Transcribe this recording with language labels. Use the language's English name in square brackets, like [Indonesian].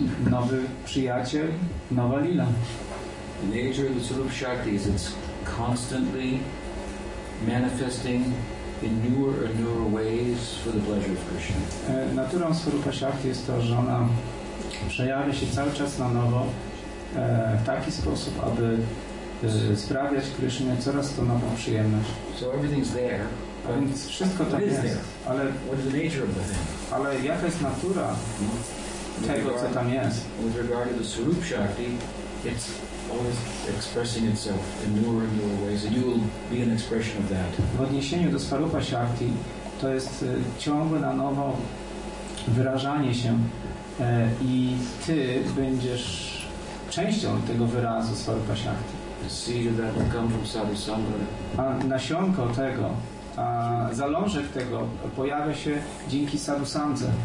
[Polish] Nowy przyjaciel, nowa lila. [English] The nature of the Swarupa Shakti is it's constantly manifesting in newer and newer ways for the pleasure of Krishna. [Polish] Naturą Swarupa Shakti jest to, że ona przejawia się cały czas na nowo w taki sposób, aby sprawiać Krishnie coraz to nową przyjemność. [English] So everything's there. [Polish] A więc wszystko tam jest. Ale, [English] what is the nature of the thing? [Polish] Ale jaka jest natura tego, co tam jest? [English] With regard to the Swarupa Shakti, it's always expressing itself in newer and newer ways, and you will be an expression of that. [Polish] W odniesieniu do Swarupa Shakti, to jest ciągłe na nowo wyrażanie się, i ty będziesz częścią tego wyrazu Swarupa Shakti. [English] The seed of that will come from sadhu sangha. [Polish] A nasionko tego, a zalążek tego pojawia się dzięki sadhu sandze.